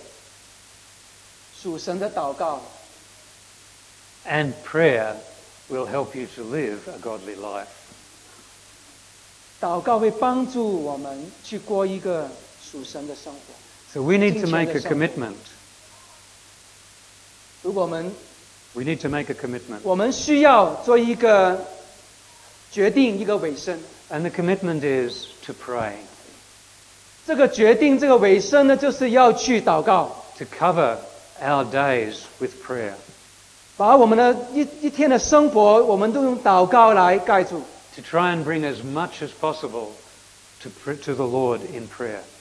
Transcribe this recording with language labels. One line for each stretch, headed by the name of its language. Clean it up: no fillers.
Chinese: 一个属神的生活必须有属神的祷告。
English: And prayer will help you to live a godly life.
Chinese: 祷告会帮助我们去过一个属神的生活。
English: So we need to make a commitment.
Chinese: 如果我们,
English: we need to make a commitment.
Chinese: 我们需要做一个决定，一个委身。
English: And the commitment is to pray.
Chinese: 这个决定，这个委身呢，就是要去祷告。
English: To cover our days with prayer.
Chinese: 把我们的一天的生活，我们都用祷告来盖住。
English: To try and bring as much as possible to the Lord in prayer.